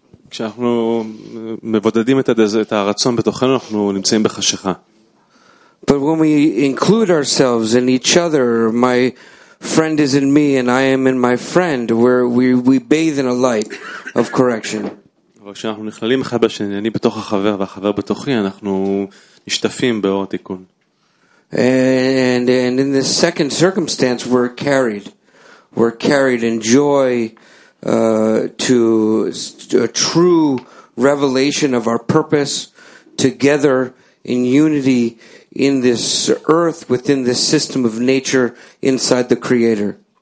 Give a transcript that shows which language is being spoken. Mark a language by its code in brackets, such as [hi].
[he] כשאנחנו מבודדים את הרצון בתוכנו, אנחנו נמצאים בחשיכה. [en] But when we include ourselves in each other, my friend is in me and I am in my friend, where we bathe in a light of correction. [he] כשאנחנו נכללים אחד בשני, אני בתוך החבר והחבר בתוכי, אנחנו נשתפים באור התיקון. [en] And in the second circumstance, we're carried in joy to a true revelation of our purpose together in unity in this earth within this system of nature inside the creator.